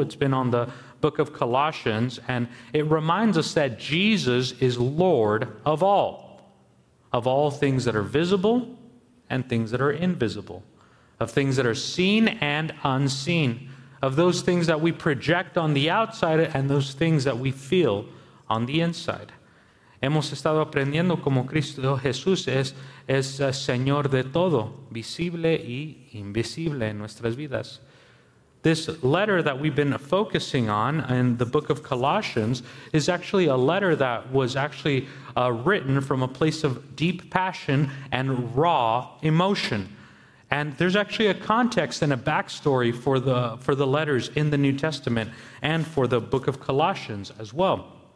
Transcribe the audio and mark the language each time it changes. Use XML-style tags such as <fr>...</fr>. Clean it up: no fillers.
<en>It's been on the book of Colossians, and it reminds us that Jesus is Lord of all things that are visible and things that are invisible, of things that are seen and unseen, of those things that we project on the outside and those things that we feel on the inside.</en> <es>Hemos estado aprendiendo cómo Cristo Jesús es Señor de todo, visible y invisible en nuestras vidas.</es> <en>This letter that we've been focusing on in the book of Colossians is actually a letter that was actually written from a place of deep passion and raw emotion. And there's actually a context and a backstory for the letters in the New Testament and for the book of Colossians as well.</en>